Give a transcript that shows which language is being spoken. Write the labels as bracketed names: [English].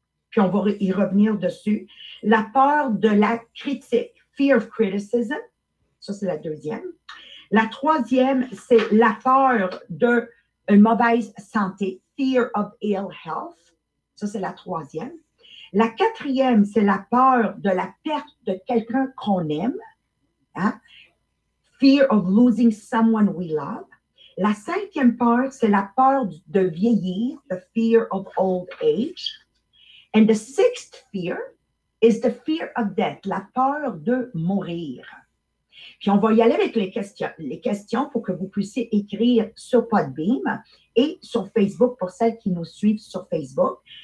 [French] Puis, on va y revenir dessus. La peur de la critique, [English] fear of criticism. [French] Ça, c'est la deuxième. La troisième, c'est la peur d'une mauvaise santé, [English] fear of ill health. [French] Ça, c'est la troisième. La quatrième, c'est la peur de la perte de quelqu'un qu'on aime, hein? [English] Fear of losing someone we love. [French] La cinquième peur, c'est la peur de vieillir, [English] the fear of old age. And the sixth fear is the fear of death, [French] la peur de mourir. Puis, on va y aller avec les questions pour que vous puissiez écrire sur Podbeam et sur Facebook pour celles qui nous suivent sur Facebook.